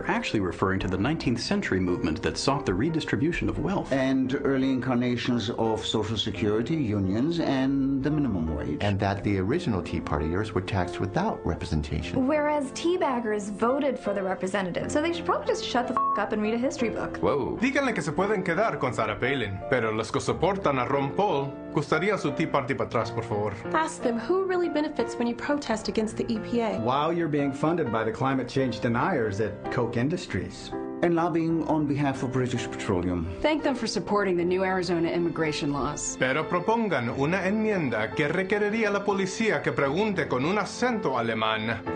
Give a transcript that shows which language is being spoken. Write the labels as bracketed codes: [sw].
[en] they're actually referring to the 19th century movement that sought the redistribution of wealth. And early incarnations of Social Security, unions, and the minimum wage. And that the original Tea Partiers were taxed without representation. Whereas teabaggers voted for the representative, so they should probably just shut the f*** up and read a history book. Whoa. [es] Se pueden quedar con Sarah Palin, pero los que soportan a Ron Paul, gustaría su Tea Party para atrás, por favor. [en] Ask them who really benefits when you protest against the EPA. While you're being funded by the climate change deniers at Koch Industries. And lobbying on behalf of British Petroleum. Thank them for supporting the new Arizona immigration laws. [es] Pero propongan una enmienda que requeriría a la policía que pregunte con un acento alemán.